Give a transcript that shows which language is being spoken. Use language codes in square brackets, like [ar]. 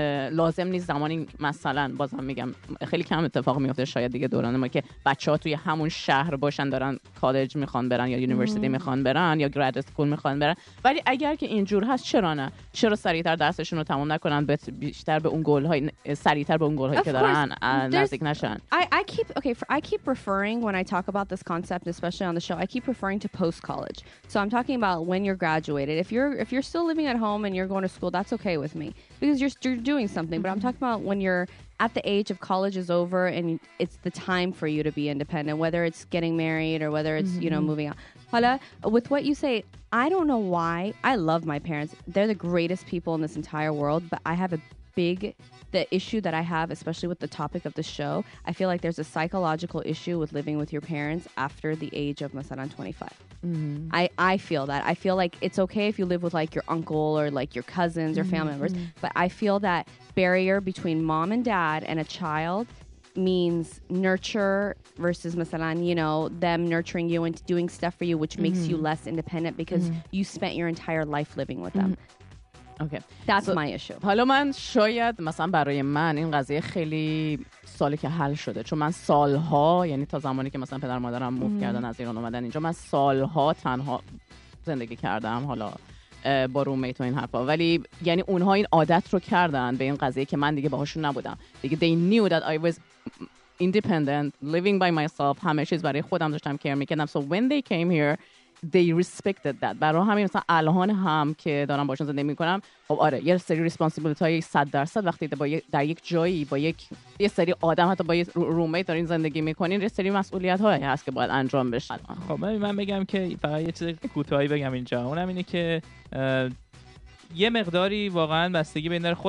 [fa] لازم نیست زمانی، مثلا بازم میگم خیلی کم اتفاق میفته شاید دیگه دوران ما، که بچه ها توی همون شهر باشن دارن کالج میخوان برن یا یونیورسیتی میخوان برن یا گراد اسکول میخوان برن، ولی اگر که اینجور هست چرا نه؟ چرا سریعتر درسشون رو تموم نکنن، بیشتر به اون گول های سریعتر به اون گول هایی که دارن نزدیک نشن. [en] I keep referring when I talk about this concept, especially on the show, I keep referring to post college. So I'm talking about when you're graduated. If you're still living at home and you're going to school, that's okay with me. Because you're doing something. But I'm talking about when you're at the age of college is over and it's the time for you to be independent, whether it's getting married or whether it's, you know, moving out. Hala, with what you say, I don't know why. I love my parents. They're the greatest people in this entire world. But I have the issue that I have, especially with the topic of the show, I feel like there's a psychological issue with living with your parents after the age of, masalan, 25. I feel that. I feel like it's okay if you live with like your uncle or like your cousins or family members, but I feel that barrier between mom and dad and a child means nurture versus masalan, you know, them nurturing you and doing stuff for you, which makes you less independent because you spent your entire life living with them. Okay. That's my issue. [fa] حالا من شاید مثلا برای من این قضیه خیلی سالی که حل شده، چون من سالها، یعنی تا زمانی که مثلا پدر مادرم موف کردن از ایران اومدن اینجا، من سالها تنها زندگی کردم، حالا با رومیت و این حرفا، ولی یعنی اونها این عادت رو کردن به این قضیه که من دیگه باهاشون نبودم دیگه. [en] They knew that I was independent, living by myself, [fa] همه چیز برای خودم داشتم کیر میکردم. [en] So when they came here, they respected that. [fa] برای همین مثلا الان هم که دارم باشون زندگی میکنم، خب آره یه سری ریسپانسیبلیتی 100% وقتی در یک جایی با یک سری آدم حتی با یه رومیت دارین زندگی میکنین، یه سری مسئولیت هایی هست که باید انجام بشه. خب من بگم که فقط یه چیز کوتاهی بگم اینجا، اونم اینه که یه مقداری واقعا بستگی به این داره.